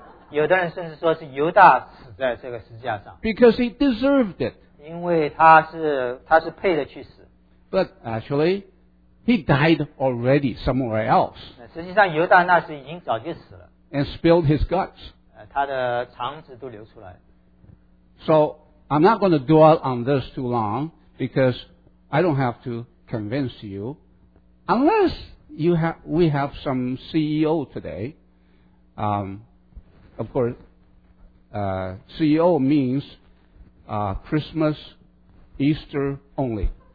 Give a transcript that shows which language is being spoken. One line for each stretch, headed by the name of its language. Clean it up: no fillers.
Chinese: 有的人甚至说是犹大死在这个十字架上。
English: Because he deserved it.
Chinese: 因为他是配的去死。
English: But actually, he died already somewhere else.
Chinese: 实际上犹大那时已经早就死了。
English: And spilled his guts.
Chinese: 他的肠子都流出来。
English: So, I'm not going to dwell on this too long because I don't have to convince you. Unless we have some CEO today. Of course, CEO means Christmas, Easter only.